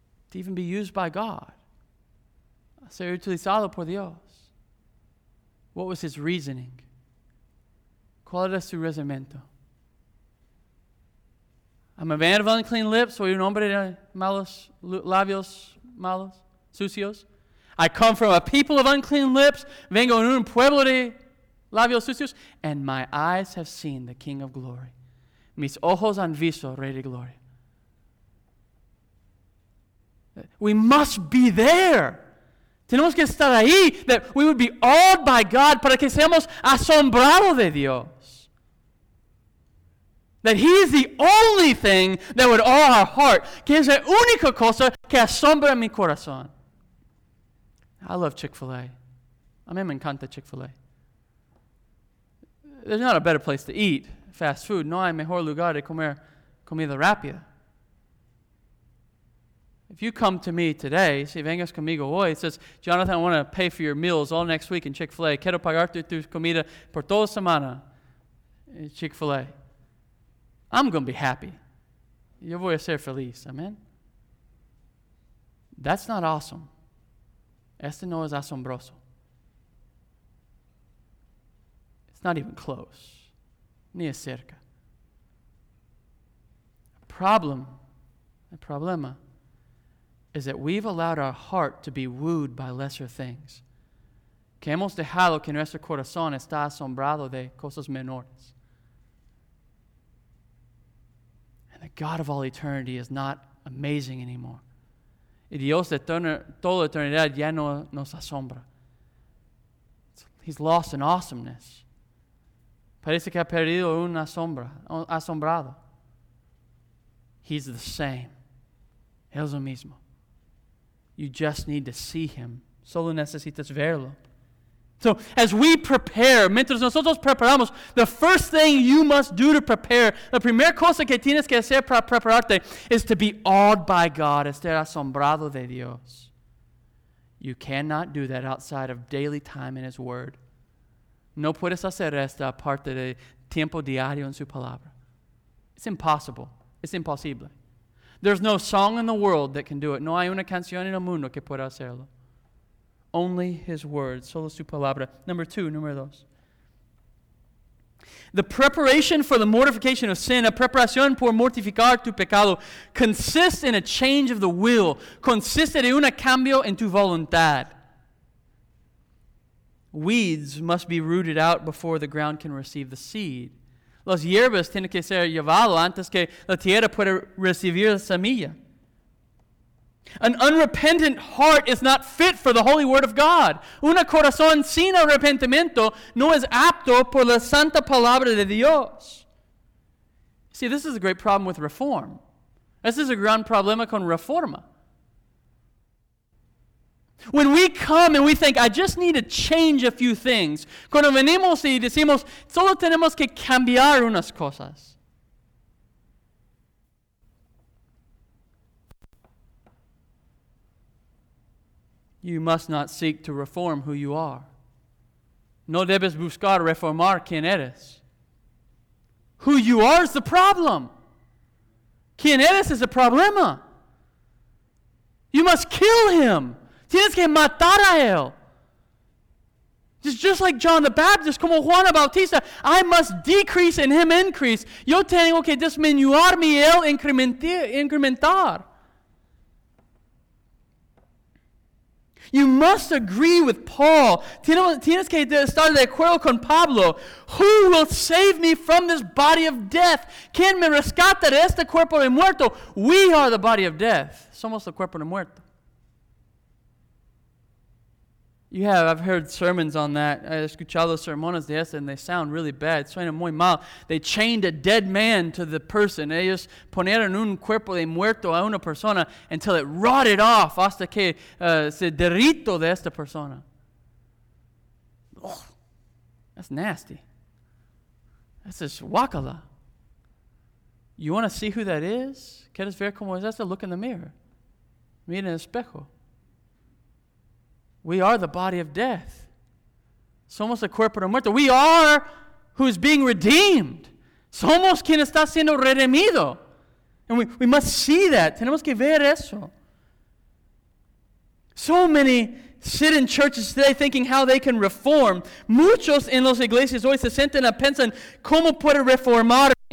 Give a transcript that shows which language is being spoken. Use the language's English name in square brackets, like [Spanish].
[English] To even be used by God. [Spanish] Ser utilizado por Dios. [English] What was his reasoning? [Spanish] ¿Cuál era su razonamiento? [English] I'm a man of unclean lips. [Spanish] Soy un hombre de malos labios, malos, sucios. [English] I come from a people of unclean lips, [Spanish] vengo en un pueblo de labios sucios, [English] and my eyes have seen the King of Glory. [Spanish] Mis ojos han visto el Rey de Gloria. [English] We must be there. [Spanish] Tenemos que estar ahí, [English] that we would be awed by God [Spanish] para que seamos asombrados de Dios. [English] That he is the only thing that would awe our heart. [Spanish] Que es la única cosa que asombra mi corazón. [English] I love Chick-fil-A. [Spanish] A mí me encanta Chick-fil-A. [English] There's not a better place to eat fast food. [Spanish] No hay mejor lugar de comer comida rápida. [English] If you come to me today, [Spanish] si vengas conmigo hoy, [English] says, Jonathan, I want to pay for your meals all next week in Chick-fil-A. [Spanish] Quiero pagarte tu comida por toda semana in Chick-fil-A. [English] I'm going to be happy. [Spanish] Yo voy a ser feliz. [English] Amen? That's not awesome. [Spanish] Este no es asombroso. [English] It's not even close. [Spanish] Ni es cerca. El problema [English] is that we've allowed our heart to be wooed by lesser things. [Spanish] Que hemos dejado que nuestro corazón está asombrado de cosas menores. [English] And the God of all eternity is not amazing anymore. [Spanish] Y Dios de toda eternidad ya no nos asombra. [English] He's lost in awesomeness. [Spanish] Parece que ha perdido un asombrado. [English] He's the same. [Spanish] Él es el mismo. [English] You just need to see him. [Spanish] Solo necesitas verlo. [English] So as we prepare, [Spanish] mientras nosotros preparamos, [English] the first thing you must do to prepare, [Spanish] la primera cosa que tienes que hacer para prepararte [English] is to be awed by God, [Spanish] estar asombrado de Dios. [English] You cannot do that outside of daily time in his word. [Spanish] No puedes hacer esto aparte de tiempo diario en su palabra. [English] It's impossible. It's imposible. There's no song in the world that can do it. [Spanish] No hay una canción en el mundo que pueda hacerlo. [English] Only his word, [Spanish] solo su palabra. [English] Number two, [Spanish] número dos. [English] The preparation for the mortification of sin, [Spanish] a preparación por mortificar tu pecado, [English] consists in a change of the will, [Spanish] consiste en un cambio en tu voluntad. [English] Weeds must be rooted out before the ground can receive the seed. [Spanish] Las hierbas tienen que ser llevado antes que la tierra pueda recibir la semilla. [English] An unrepentant heart is not fit for the holy word of God. [Spanish] Un corazón sin arrepentimiento no es apto por la santa palabra de Dios. [English] See, this is a great problem with reform. This is a [Spanish] gran problema con reforma. [English] When we come and we think, I just need to change a few things. [Spanish] Cuando venimos y decimos, solo tenemos que cambiar unas cosas. [English] You must not seek to reform who you are. [Spanish] No debes buscar reformar quién eres. [English] Who you are is the problem. [Spanish] Quién eres es el problema. [English] You must kill him. [Spanish] Tienes que matar a él. [English] Just like John the Baptist, [Spanish] como Juan Bautista, [English] I must decrease and him increase. [Spanish] Yo tengo que disminuir mi él incrementar. [English] You must agree with Paul. [Spanish] Tienes que estar de acuerdo con Pablo. [English] Who will save me from this body of death? [Spanish] ¿Quién me rescata de este cuerpo de muerto? [English] We are the body of death. [Spanish] Somos el cuerpo de muerto. [English] You have. I've heard sermons on that. I've [Spanish] escuchado sermones de eso, [English] and they sound really bad. [Spanish] Suena muy mal. [English] They chained a dead man to the person. [Spanish] Ellos ponieron un cuerpo de muerto a una persona [English] until it rotted off [Spanish] hasta que se derrito de esta persona. [English] Ugh, that's nasty. That's just guacala. You want to see who that is? [Spanish] ¿Quieres ver cómo es esto? [English] Look in the mirror. [Spanish] Mira en el espejo. [English] We are the body of death. [Spanish] Somos el cuerpo de muerto. [English] We are who's being redeemed. [Spanish] Somos quien está siendo redimido. [English] And we must see that. [Spanish] Tenemos que ver eso. [English] So many sit in churches today thinking how they can reform. [Spanish] Muchos en las iglesias hoy se sienten a pensar cómo puede reformar.